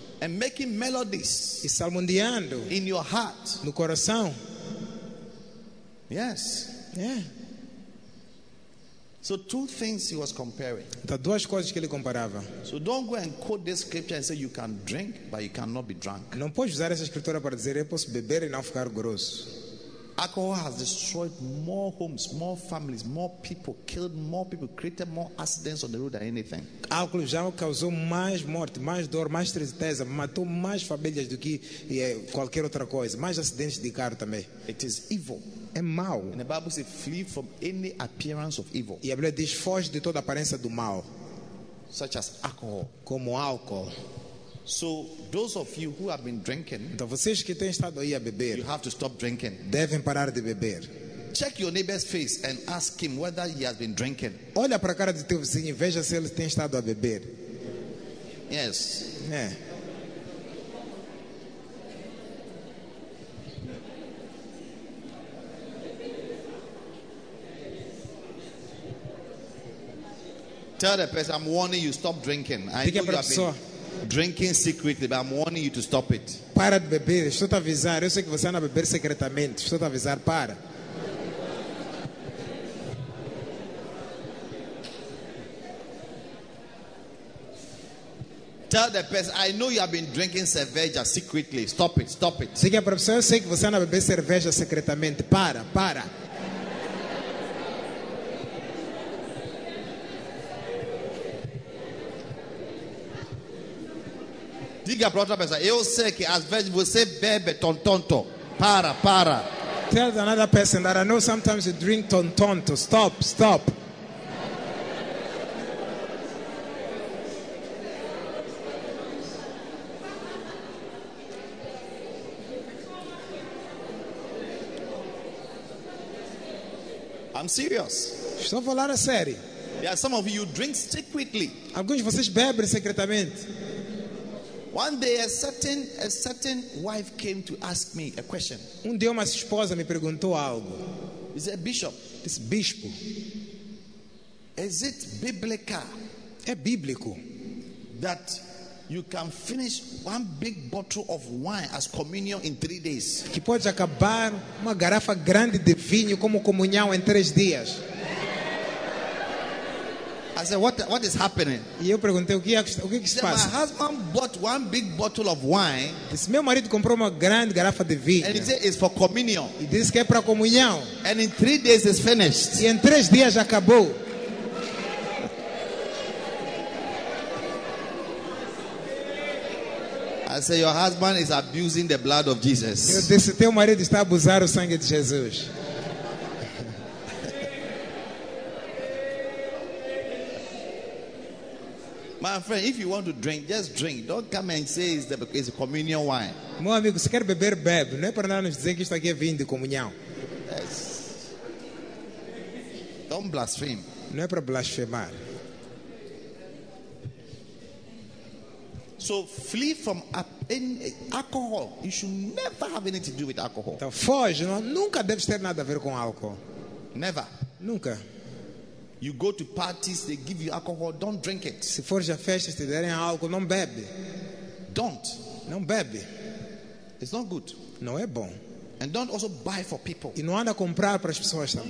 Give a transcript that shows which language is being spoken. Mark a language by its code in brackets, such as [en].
[en] and making melodies, [pt] e salmodiando, [en] in your heart, [pt] no coração. [en] Yes. Yeah. So two things he was comparing. [pt] Então, duas coisas que ele comparava. [en] So don't go and quote this scripture and say you can drink but you cannot be drunk. [pt] Não pode usar essa escritura para dizer eu posso beber e não ficar grosso. [en] Alcohol has destroyed more homes, more families, more people, killed more people, created more accidents on the road than anything. [pt] Álcool já causou mais morte, mais dor, mais tristeza, matou mais famílias do que qualquer outra coisa, mais acidentes de carro também. [en] It is evil. [pt] É mal. [en] And the Bible says, flee from any appearance of evil. [pt] E a Bíblia diz, foge de toda aparência do mal. [en] Such as alcohol. [pt] Como álcool. [en] So those of you who have been drinking, [pt] então vocês que têm estado aí a beber, [en] you have to stop drinking. [pt] Devem parar de beber. [en] Check your neighbor's face and ask him whether he has been drinking. [pt] Olha para a cara do teu vizinho e veja se ele tem estado a beber. [en] Yes. [pt] É. [en] Tell the person, I'm warning you, stop drinking. I know you have been drinking secretly, but I'm warning you to stop it. [pt] Para de beber, estou a avisar. Eu sei que você anda a beber secretamente. Estou a avisar, para. [en] Tell the person, I know you have been drinking cerveja secretly. Stop it, stop it. [pt] Diga para a pessoa, eu sei que você anda a beber cerveja secretamente. Para, para. Diga para outra pessoa, eu sei que às vezes você bebe tontonto. Para, para. [en] Tell another person that I know sometimes you drink tontonto. Stop, stop. I'm serious. [pt] Estou falando a sério. [en] Yeah, some of you drink secretly. [pt] Alguns de vocês bebem secretamente. [en] One day a certain wife came to ask me a question. [pt] Um dia uma esposa me perguntou algo. [en] Is it a bishop? It's bispo. Is it biblical? [pt] É bíblico. [en] That you can finish one big bottle of wine as communion in 3 days. [pt] Que pode acabar uma garrafa grande de vinho como comunhão em 3 dias. [en] I said, what is happening? [pt] E eu perguntei o que se passa. [en] My husband bought one big bottle of wine. [pt] Disse, meu marido comprou uma grande garrafa de vinho. [en] And he said it's for communion. [pt] E disse que é para comunhão. [en] And in 3 days it's finished. [pt] E em 3 dias já acabou. [en] I said, your husband is abusing the blood of Jesus. [pt] Eu disse, teu marido está a abusar o sangue de Jesus. [en] My friend, if you want to drink, just drink. Don't come and say it's a communion wine. [pt] Meu amigo, se quer beber, bebe. Não é para nada nos dizer que isto aqui é vinho de comunhão. [en] Yes. Don't blaspheme. [pt] Não é para blasfemar. [en] So flee from alcohol. You should never have anything to do with alcohol. [pt] Então foge, nunca deve ter nada a ver com álcool. [en] Never. [pt] Nunca. [en] You go to parties, they give you alcohol, don't drink it. [pt] Se for festas, te derem álcool, não bebe. [en] don't. [pt] Não bebe. [en] It's not good. [pt] Não é bom. [en] And don't also buy for people. [pt] E não anda comprar para as pessoas também.